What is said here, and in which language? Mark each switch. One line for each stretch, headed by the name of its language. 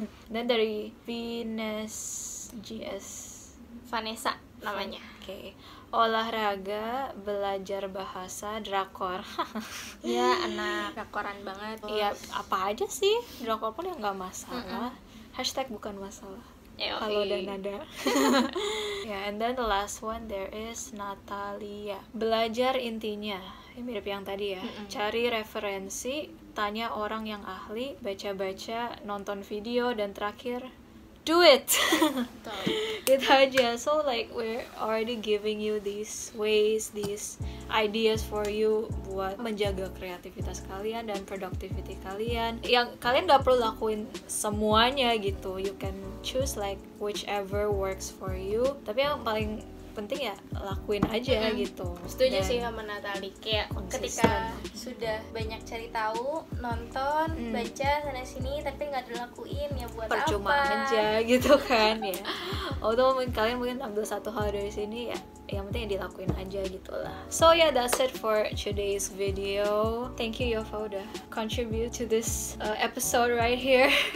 Indonesian: Dan dari Venus GS Vanessa namanya. Oke. Olahraga, belajar bahasa, drakor. Ya, anak drakoran banget. Iya, apa aja sih? Drakor pun ya nggak masalah. Hashtag bukan masalah. Kalau dan ada.
English: Ya, and then the last one, there is Natalia.
Indonesian: Belajar intinya. Ini mirip yang tadi ya. Cari referensi, tanya orang yang ahli, baca-baca, nonton video, dan terakhir,
English: do it.
Indonesian: Itu aja.
English: So like we're already giving you these ways, these ideas for you
Indonesian: buat menjaga kreativitas kalian
English: dan productivity kalian.
Indonesian: Yang kalian gak perlu lakuin semuanya gitu.
English: You can choose like whichever works for you.
Indonesian: Tapi yang paling penting ya lakuin aja gitu. Setuju dan sih sama Natali. Kayak ketika sudah banyak cari tahu, nonton, baca sana-sini tapi gak dilakuin ya buat percuma apa. Percuma aja gitu kan ya. Although kalian mungkin ambil satu hal dari sini ya, yang penting ya dilakuin aja gitu lah.
English: So yeah, that's it for today's video. Thank you Yova udah contribute to this episode right here.